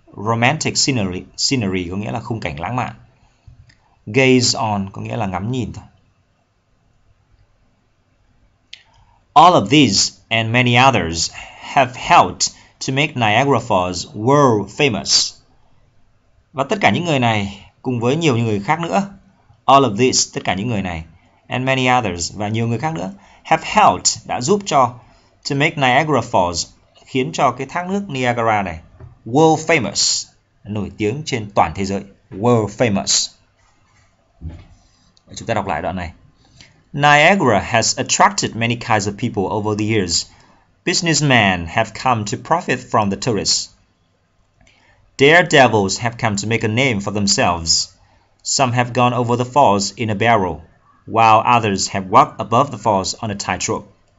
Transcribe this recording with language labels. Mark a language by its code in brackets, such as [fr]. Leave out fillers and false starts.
[vi] Romantic scenery, scenery có nghĩa là khung cảnh lãng mạn. Gaze on có nghĩa là ngắm nhìn thôi. [en] All of these and many others have helped to make Niagara Falls world famous. [vi] Và tất cả những người này cùng với nhiều người khác nữa. All of these, tất cả những người này, [en] and many others [vi] và nhiều người khác nữa have helped, đã giúp cho, [en] to make Niagara Falls, [vi] khiến cho cái thác nước Niagara này world famous, nổi tiếng trên toàn thế giới. World famous. Chúng ta đọc lại đoạn này. [en] Niagara has attracted many kinds of people over the years. Businessmen have come to profit from the tourists. Daredevils have come to make a name for themselves. Some have gone over the falls in a barrel, while others have walked above the falls on a tightrope.